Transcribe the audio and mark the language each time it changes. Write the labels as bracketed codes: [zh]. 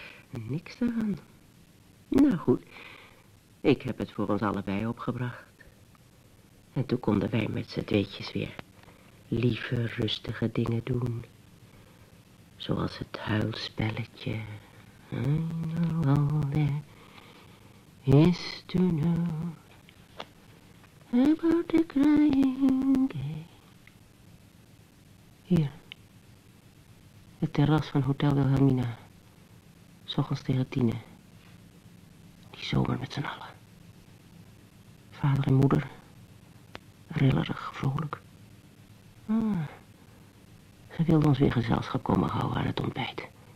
[nl] Niks ervan. Nou goed, ik heb het voor ons allebei opgebracht. En toen konden wij met z'n tweetjes weer lieve, rustige dingen doen. Zoals het huilspelletje. [en] I know all there is to know about the crying game. [nl] Hier, het terras van Hotel Wilhelmina. 'S Ochtends tegen 10. Die zomer met z'n allen. Vader en moeder. Rillerig, vrolijk. Ah, ze wilden ons weer gezelschap komen houden aan het ontbijt.